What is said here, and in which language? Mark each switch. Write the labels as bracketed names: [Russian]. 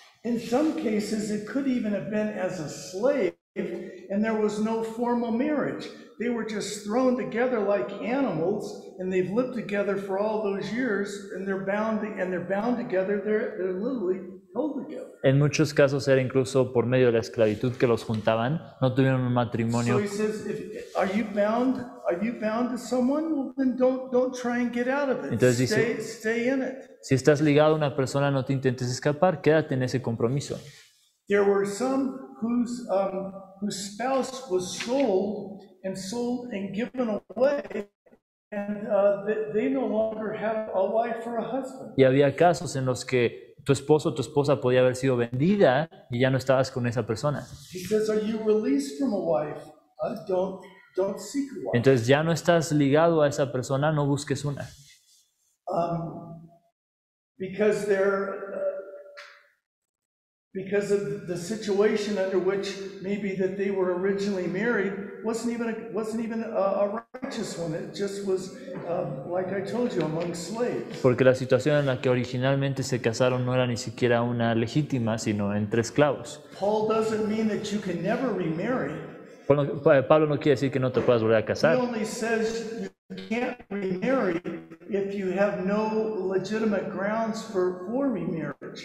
[English] In some cases, it could even have been as a slave, and there was no formal marriage. They were just thrown together like animals, and they've lived together for all those years, and they're bound together. They're literally held together. [Spanish] En muchos casos era incluso por medio de la esclavitud que los juntaban. No tuvieron un matrimonio. [English] So he says, are you bound to someone? Well, then don't try and get out of it. [Spanish] Entonces dice, [English] stay in it. [Spanish] Si estás ligado a una persona, no te intentes escapar. Quédate en ese compromiso. [English] There were some whose spouse was sold and given away, and they no longer have a wife or a husband. [Spanish] Y había casos en los que tu esposo o tu esposa podía haber sido vendida y ya no estabas con esa persona. [English] He says, are you released from a wife? Don't seek a wife. [Spanish] Entonces ya no estás ligado a esa persona, no busques una. [English] Because they're because of the situation under which maybe that they were originally married wasn't even a righteous one. It just was like I told you, among slaves. [Spanish] Porque la situación en la que originalmente se casaron no era ni siquiera una legítima, sino entre esclavos. [English] Paul doesn't mean that you can never remarry. [Spanish] Pablo no quiere decir que no te puedas volver a casar. [English] He only says you can't remarry if you have no legitimate grounds for remarriage.